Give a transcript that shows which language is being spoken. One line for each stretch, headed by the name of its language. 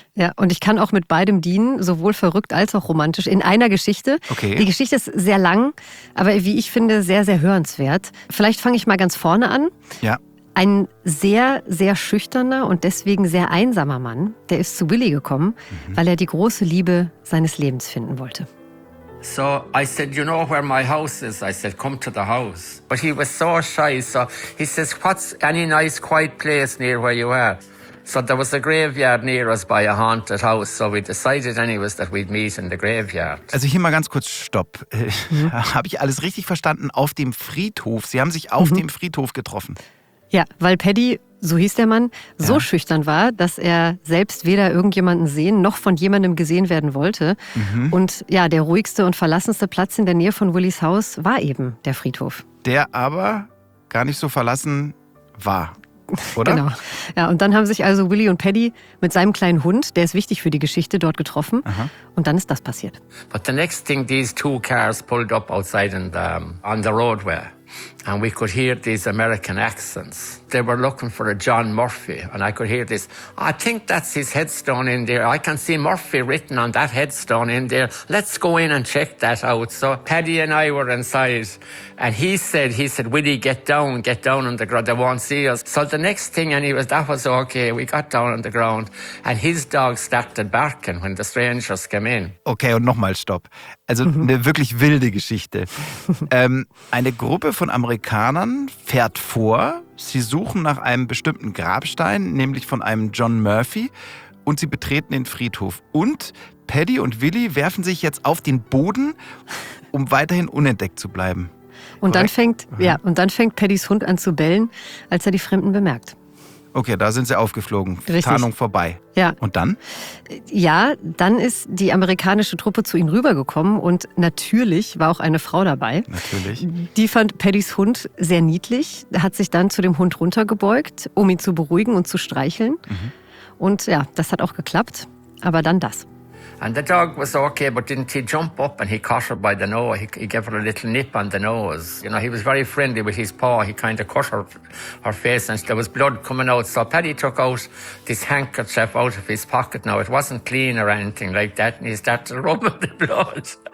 German: Ja, und ich kann auch mit beidem dienen, sowohl verrückt als auch romantisch, in einer Geschichte. Okay. Die Geschichte ist sehr lang, aber wie ich finde, sehr, sehr hörenswert. Vielleicht fange ich mal ganz vorne an. Ja. Ein sehr, sehr schüchterner und deswegen sehr einsamer Mann, der ist zu Willie gekommen, weil er die große Liebe seines Lebens finden wollte.
English: So I said, you know where my house is? I said, come to the house. But he was so shy, so he says, what's any nice quiet place near where you are? So there was a graveyard near us by a haunted house, so we decided anyways that we'd meet in the graveyard.
German: Also hier mal ganz kurz Stopp. Habe ich alles richtig verstanden? Auf dem Friedhof, Sie haben sich auf dem Friedhof getroffen. Ja, weil Paddy, so hieß der Mann, so schüchtern war, dass er selbst weder irgendjemanden sehen noch von jemandem gesehen werden wollte. Mhm. Und ja, der ruhigste und verlassenste Platz in der Nähe von Willys Haus war eben der Friedhof. Der aber gar nicht so verlassen war, oder? Genau. Ja, und dann haben sich also Willy und Paddy mit seinem kleinen Hund, der ist wichtig für die Geschichte, dort getroffen. Aha. Und dann ist das passiert.
English: But the next thing these two cars pulled up outside in the, on the road were. And we could hear these American accents. They were looking for a John Murphy. And I could hear this. I think that's his headstone in there. I can see Murphy written on that headstone in there. Let's go in and check that out. So Paddy and I were inside. And he said, Willie, get down on the ground. They won't see us. So the next thing, that was okay. We got down on the ground. And his dog started barking when the strangers came in.
German: Okay, und nochmal Stopp. Also eine wirklich wilde Geschichte. Eine Gruppe von Amerikanern fährt vor. Sie suchen nach einem bestimmten Grabstein, nämlich von einem John Murphy, und sie betreten den Friedhof. Und Paddy und Willy werfen sich jetzt auf den Boden, um weiterhin unentdeckt zu bleiben. Und dann fängt Paddys Hund an zu bellen, als er die Fremden bemerkt. Okay, da sind sie aufgeflogen. Richtig. Tarnung vorbei. Ja. Und dann? Ja, dann ist die amerikanische Truppe zu ihnen rübergekommen und natürlich war auch eine Frau dabei. Natürlich. Die fand Paddys Hund sehr niedlich, hat sich dann zu dem Hund runtergebeugt, um ihn zu beruhigen und zu streicheln. Mhm. Und ja, das hat auch geklappt, aber dann das.
English: And the dog was okay, but didn't he jump up and he caught her by the nose? He gave her a little nip on the nose. You know, he was very friendly with his paw. He kind of cut her face and there was blood coming out. So Paddy took out this handkerchief out of his pocket. Now, it wasn't clean or anything like that. And he started rubbing the blood.